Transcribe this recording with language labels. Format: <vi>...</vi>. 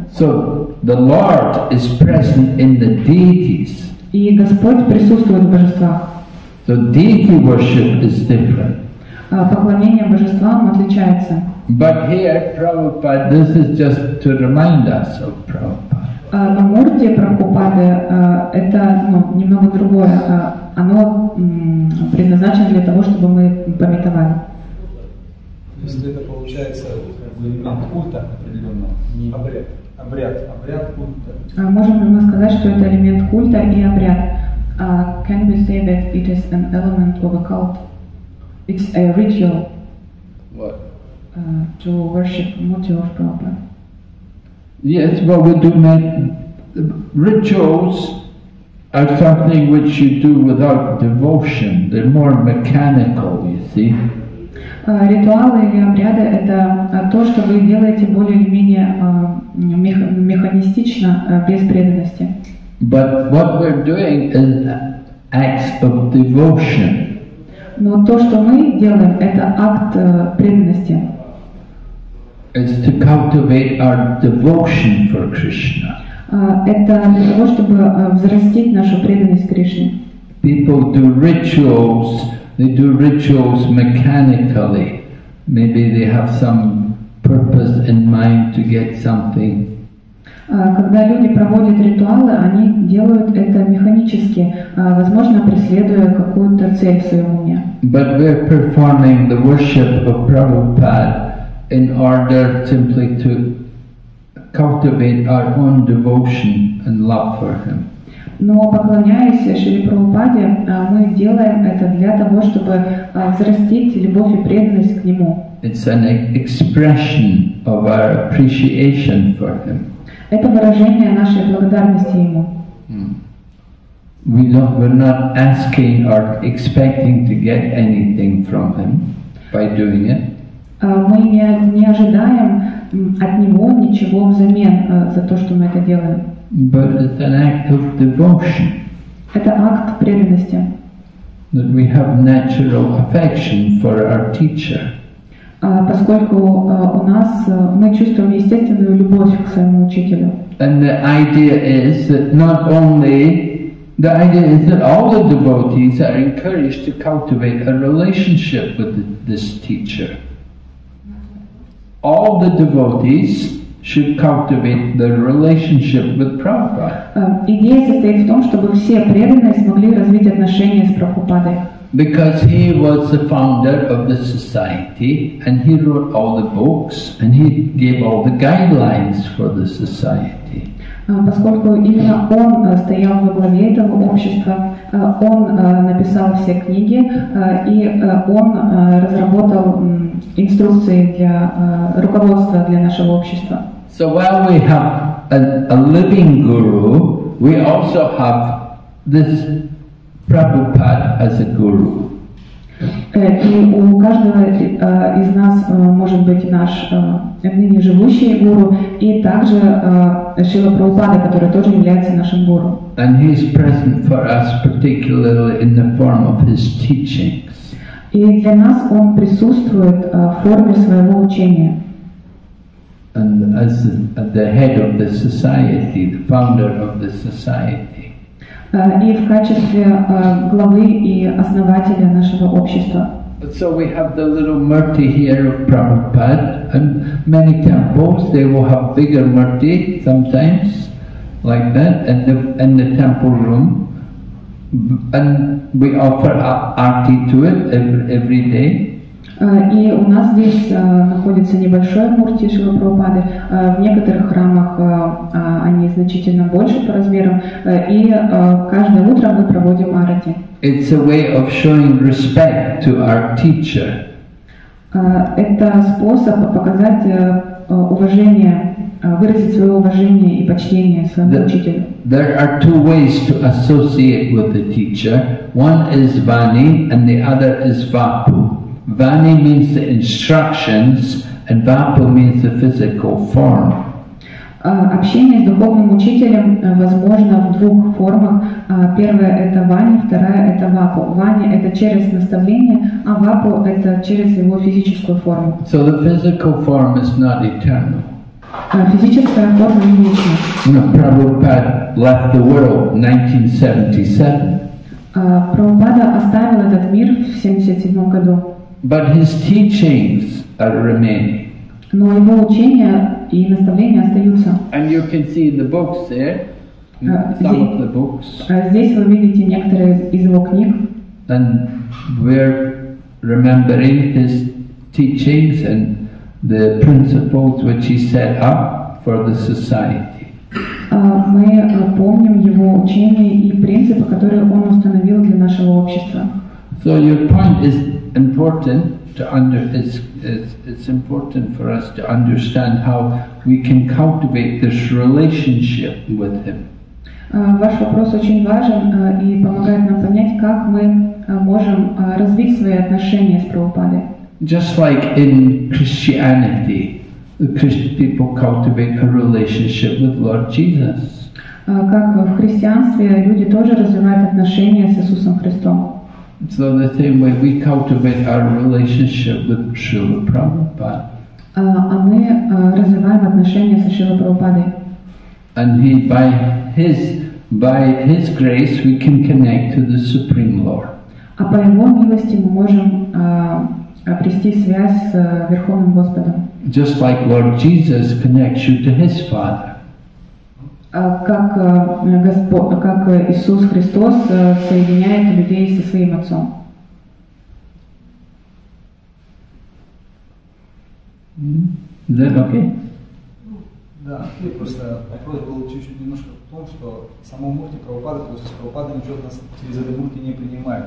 <en>So the Lord is present in the deities.</en> <ru>И Господь присутствует в божествах.</ru> <en>So deity worship is different.</en> <ru>Поклонение божествам отличается.</ru> <en>But here, Prabhupada, this is just to remind us of Prabhupada.</en> <ru>На Мурти Прабхупады это немного другое. Оно предназначено для того, чтобы мы пометовали. То есть это получается элемент культа определенного, не обряд. Обряд культа. Можем ли мы сказать, что это элемент культа и обряд?</ru> <en>Can we say that it is an element of a cult? It's a ritual. What? To worship Murti of Prabhupada. Yes, but we do make rituals are something which you do without devotion. They're more mechanical, you see.</en> <ru>Ритуалы или обряды – это то, что вы делаете более или менее механистично, без преданности.</ru> <en>But what we're doing is acts of devotion.</en> <ru>Но то, что мы делаем, это акт преданности.</ru> <en>It's to cultivate our devotion for Krishna.</en> <ru>Это для того, чтобы взрастить нашу преданность Кришне.</ru> <en>People do rituals. They do rituals mechanically. Maybe they have some purpose in mind to get something.</en> <ru>Когда люди проводят ритуалы, они делают это механически, возможно, преследуя какую-то цель в своем уме.</ru> <en>But we're performing the worship of Prabhupada in order simply to cultivate our own devotion and love for him.</en> <ru>Но поклоняясь Шри Прабхупаде, мы делаем это для того, чтобы взрастить любовь и преданность к нему.</ru> <en>It's an expression of our appreciation for him.</en> <ru>Это выражение нашей благодарности ему.</ru> <en>We're not asking or expecting to get anything from him by doing it.</en> <ru>Мы не ожидаем от него ничего взамен за то, что мы это делаем.</ru> <en>But it's an act of devotion.</en> <ru>Это акт преданности.</ru> <en>That we have natural affection for our teacher.</en> <ru>Поскольку у нас мы чувствуем естественную любовь к своему учителю.</ru> <en>And the idea is that not only the idea is that all the devotees are encouraged to cultivate a relationship with this teacher. All the devotees should cultivate their relationship with Prabhupada.</en> <ru>Идея состоит в том, чтобы все преданные смогли развить отношения с Прабхупадой.</ru> <en>Because he was the founder of the society, and he wrote all the books, and he gave all the guidelines for the society.</en> <ru>Поскольку именно он стоял во главе этого общества, он написал все книги, и он разработал инструкции для руководства для нашего общества.</ru> <en>So while we have a living guru, we also have this Prabhupada as a guru.</en> <ru>И у каждого из нас может быть наш ныне живущий гуру, и также Шрила Прабхупада, который тоже является нашим гуру.</ru> <en>And he is present for us particularly in the form of his teachings.</en> <ru>И для нас он присутствует в форме своего учения.</ru> <en>And as the head of the society, the founder of the society.</en> <ru>И в качестве главы и основателя нашего общества.</ru> <en>So we have the little murti here of Prabhupada, and many temples they will have bigger murti sometimes, like that, in the temple room, and we offer arti to it every day.</en> <ru>И у нас здесь находится небольшой мурти Шрилы Прабхупады. В некоторых храмах они значительно больше по размерам. И каждое утро мы проводим арати.</ru> <en>It's a way of showing respect to our teacher.</en> <ru>Это способ показать уважение, выразить свое уважение и почтение своему учителю.</ru> <en>There are two ways to associate with the teacher. One is vani, and the other is vapu. Vani means the instructions, and vapu means the physical form.</en> <ru>Общение с духовным учителем возможно в двух формах. Первое – это вани, вторая – это вапу. Вани – это через наставление, а вапу – это через его физическую форму.</ru> <en>So the physical form is not eternal.</en> <ru>Физическая форма не вечна.</ru> <en>No, Prabhupada left the world in 1977.</en> <ru>Прабхупада оставил этот мир в 1977 году.</ru> <en>But his teachings are remaining.</en> <ru>Но его учения и наставления остаются.</ru> <en>And you can see the books there, some of the books.</en> <ru>Здесь вы видите некоторые из его книг.</ru> <en>And we're remembering his teachings and the principles which he set up for the society.</en> <ru>мы помним его учения и принципы, которые он установил для нашего общества.</ru> <en>So your point is important. It's important for us to understand how we can cultivate this relationship with him.</en> <ru>Ваш вопрос очень важен и помогает нам понять, как мы можем развить свои отношения с Прабхупадой.</ru> <en>Just like in Christianity, the Christian people cultivate a relationship with Lord Jesus.</en> <ru>Как в христианстве люди тоже развивают отношения с Иисусом Христом.</ru> <en>So the same way we cultivate our relationship with Srila Prabhupada.</en> <ru>А мы развиваем отношения со Шрилой Прабхупадой.</ru> <en>And he, by his grace, we can connect to the Supreme Lord.</en> <ru>А по его милости мы можем обрести связь с Верховным Господом.</ru> <en>Just like Lord Jesus connects you to his Father.</en> <ru>Как Господь, как Иисус Христос соединяет людей со своим Отцом. Да, окей. Да, я просто вопрос был чуть-чуть немножко в том, что само мурти Прабхупада, то есть Прабхупада ничего от нас через это мурти не принимает.</ru>